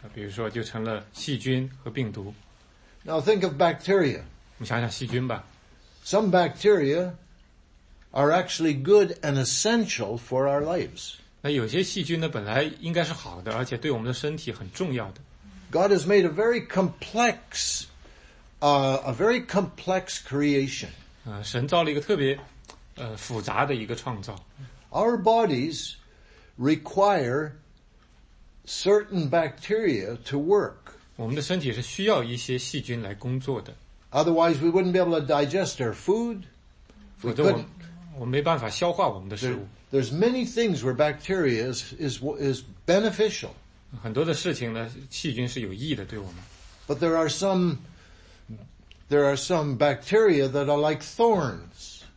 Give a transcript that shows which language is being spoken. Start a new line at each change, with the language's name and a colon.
Chinese: 如果我们把这个枝条啊，这个荆棘啊，把这个我们的思想呢压缩到像一个微观的世界，比如说就成了细菌和病毒。
English: Now think of bacteria.
Chinese: 我们想想细菌吧。
English: Some bacteria are actually good and essential for our lives.
Chinese: 那有些细菌呢，本来应该是好的，而且对我们的身体很重要的。
English: God has made a very complex creation.
Chinese: 神造了一个特别复杂的一个创造。
English: Our bodies require certain bacteria to work.
Chinese: 我们的身体是需要一些细菌来工作的。
English: Otherwise, we wouldn't be able to digest our food. There's many things where bacteria is beneficial.
Chinese: 很多的事情呢，细菌是有益的，对我们。
English: But there are some bacteria that are like thorns.